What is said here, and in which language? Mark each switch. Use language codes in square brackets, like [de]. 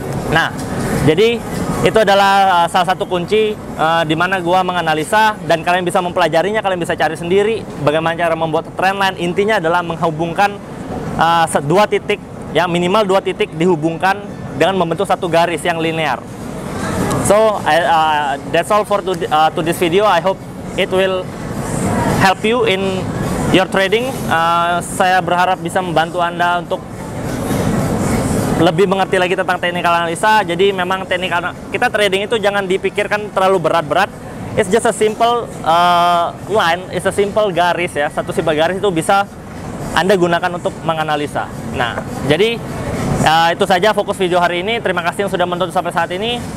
[id] Nah, jadi itu adalah salah satu kunci di mana gua menganalisa, dan kalian bisa mempelajarinya, kalian bisa cari sendiri bagaimana cara membuat trend line. Intinya adalah menghubungkan dua titik, ya minimal dua titik dihubungkan dengan membentuk satu garis yang linear. [en] So that's all for to this video. I hope it will help you in your trading. [id] Saya berharap bisa membantu Anda untuk lebih mengerti lagi tentang technical analisa. Jadi memang teknik kita trading itu jangan dipikirkan terlalu berat-berat. [en] It's just a simple line, it's a simple garis ya. [id] Satu simple garis itu bisa Anda gunakan untuk menganalisa. Nah, jadi itu saja fokus video hari ini. Terima kasih yang sudah menonton sampai saat ini.